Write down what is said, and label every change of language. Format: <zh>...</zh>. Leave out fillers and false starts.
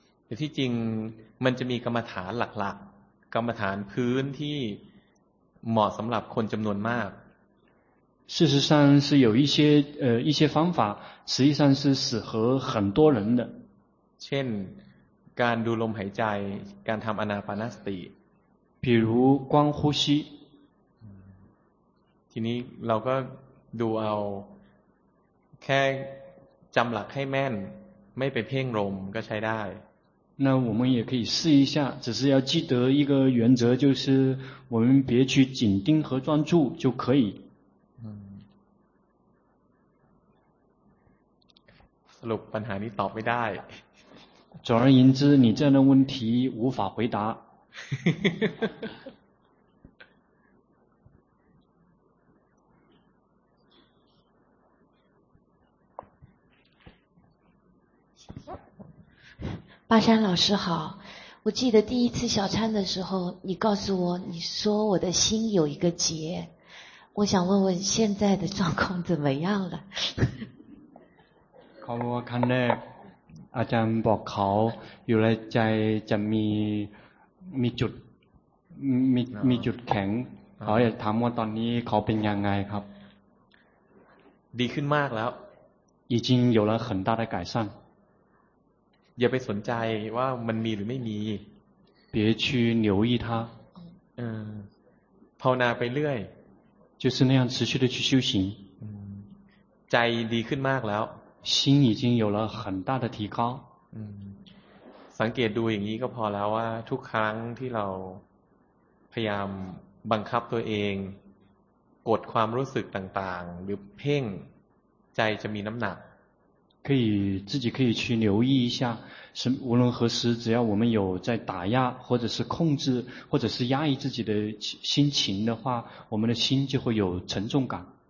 <th>ที่จริงมันจะมีกรรมฐานหลักๆกรรมฐานพื้นที่เหมาะสำหรับคนจำนวนมาก</th> <zh>事实上是有一些方法实际上是适合很多人的</zh> <th>เช่นการดูลมหายใจการทำอานาปานสติ</th> <zh>比如观呼吸</zh> <th>ทีนี้เราก็ดูเอาแค่จำหลักให้แม่นไม่ไปเพ่งลมก็ใช้ได้</th> <zh>那我们也可以试一下只是要记得一个原则就是我们别去紧盯和专注就可以</zh> <th>สรุปปัญหานี้ตอบไม่ได้</th> <zh>总而言之你这样的问题无法回答巴山老师好，我记得第一次小禅的时候，你告诉我，你说我的心有一个结，我想问问现在的状况怎么样了。</zh> <th>เขาคันเนออาจารย์บอกเขาอยู่ในใจจะมีจุดมีจุดแข็งเขาอยากถามว่าตอนนี้เขาเป็นยังไงครับ ดีขึ้นมากแล้ว</th> <zh>已经有了很大的改善</zh> <th>อย่าไปสนใจว่ามันมีหรือไม่มี</th> <zh>别去留意它</zh> <th>ภาวนาไปเรื่อย</th> <zh>就是那样持续的去修行</zh> <th>ใจดีขึ้นมากแล้ว</th> <zh>心已经有了很大的提高</zh> <th>สังเกตดูอย่างนี้ก็พอแล้วว่าทุกครั้งที่เราพยายามบังคับตัวเองกดความรู้สึกต่างๆหรือเพ่งใจจะมีน้ำหนัก</th> <zh>可以自己可以去留意一下是无论何时只要我们有在打压或者是控制或者是压抑自己的心情的话我们的心就会有沉重感</zh>